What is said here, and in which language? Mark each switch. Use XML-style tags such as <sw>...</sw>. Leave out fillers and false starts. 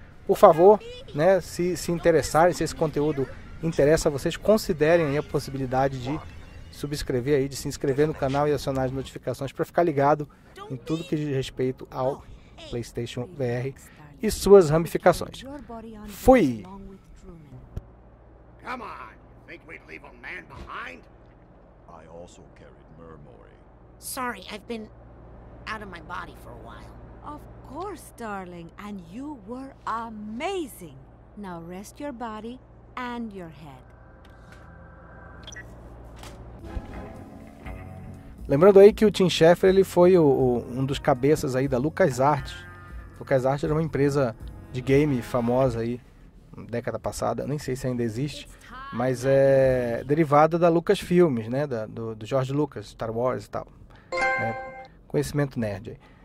<pt>Por favor, né? Se interessarem, se esse conteúdo interessa a vocês, considerem aí a possibilidade de subscrever aí, de se inscrever no canal e acionar as notificações para ficar ligado em tudo que diz respeito ao PlayStation VR e suas ramificações. Fui!</pt> <en>Come on! Think we'd leave a man behind? I also carried Murmuri. Sorry, I've been out of my body for a while. Of course, darling, and you were amazing. Now rest your body and your head.</en> <pt>Lembrando aí que o Tim Schafer, ele foi um dos cabeças aí da LucasArts. LucasArts era uma empresa de game famosa aí, década passada, nem sei se ainda existe, mas é derivada da Lucasfilms, né, do George Lucas, Star Wars e tal, né? Conhecimento nerd aí.</pt>